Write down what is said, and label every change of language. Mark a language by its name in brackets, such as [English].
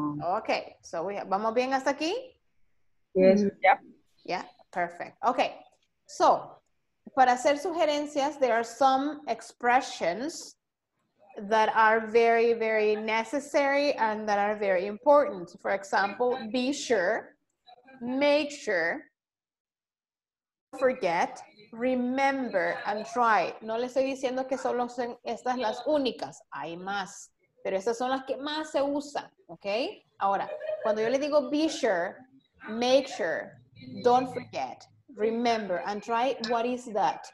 [English] Okay, so we have, [Spanish] ¿vamos bien hasta aquí? [English] Yes. Yeah. Yeah, perfect. Okay, so, [Spanish] para hacer sugerencias, [English] there are some expressions that are very, very necessary and that are very important. For example, be sure, make sure, forget, remember, and try. [Spanish] No le estoy diciendo que solo son estas las únicas. Hay más. Pero estas son las que más se usan, okay? Ahora, cuando yo le digo [English] be sure, make sure, don't forget, remember, and try, what is that?